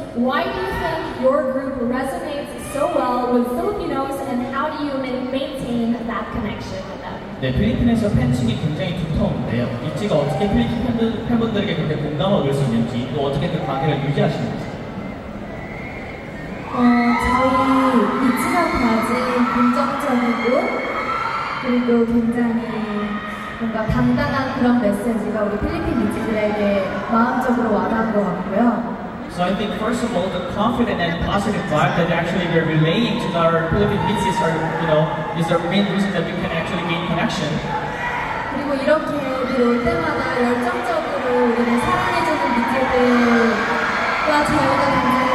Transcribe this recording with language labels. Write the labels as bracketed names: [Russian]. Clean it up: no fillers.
[English] Why do you think your group resonates so well with Filipinos, and how do you maintain that connection with them? [Korean] 네, 필리핀에서 팬층이 굉장히 두터운데요. 이치가 어떻게 필리핀 팬분들에게 그렇게 공감을 줄 수 있는지, 또 어떻게 그 관계를 유지하시는지. 저희 이치가 가진 긍정적이고 그리고 굉장히 뭔가 당당한 그런 메시지가 우리 필리핀 이치들에게 마음적으로 와닿은 것 같고요. [English] So I think first of all, the confident and positive vibe that actually we're relaying to our Philippine ITZYs are, you know, is the main reason that we can actually gain connection. [Korean] 그리고 이렇게 우리 올 때마다 열정적으로 우리를 사랑해주는 이치들과 저희가